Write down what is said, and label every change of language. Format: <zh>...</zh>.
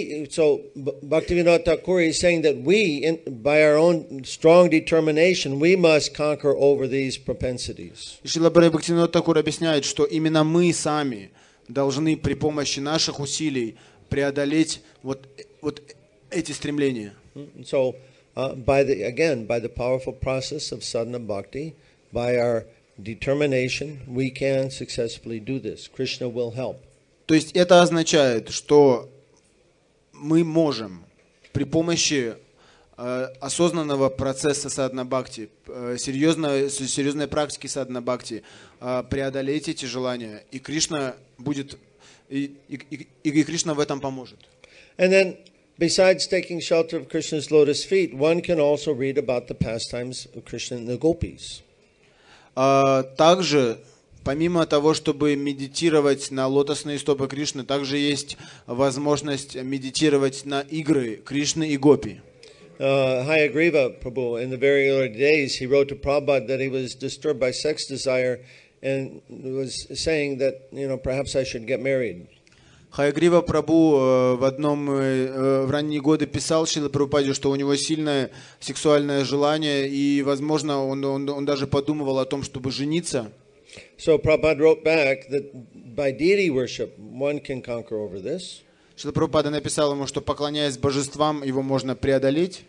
<en>So Bhaktivinoda Thakur is saying that we, by our own strong determination, we must conquer over these propensities.</en> <ru>Шрила Бхактивинода Такура объясняет, что именно мы сами должны при помощи наших усилий преодолеть вот эти стремления.</ru> <en>So, by the powerful process of sadhana bhakti, by our determination, we can successfully do this. Krishna will help.</en> <ru>То есть это означает, что мы можем при помощи осознанного процесса sadhana bhakti, серьезной практики sadhana bhakti, преодолеть эти желания, и Кришна будет и Кришна в этом поможет.</ru> <en>And then, besides taking shelter of Krishna's lotus feet, one can also read about the pastimes of Krishna and the gopis.</en> <ru>Также, помимо того, чтобы медитировать на лотосные стопы Кришны, также есть возможность медитировать на игры Кришны и гопи.</ru> <en>Hayagriva Prabhu, in the very early days, he wrote to Prabhupada that he was disturbed by sex desire and was saying that, you know, perhaps I should get married.</en> <ru>Хаягрива Прабху в ранние годы писал Шриле Прабхупаде, что у него сильное сексуальное желание, и, возможно, он даже подумывал о том, чтобы жениться.</ru> <en>So Prabhupada wrote back that by deity worship one can conquer over this.</en> <ru>Шриле Прабхупада написал ему, что поклоняясь божествам, его можно преодолеть.</ru>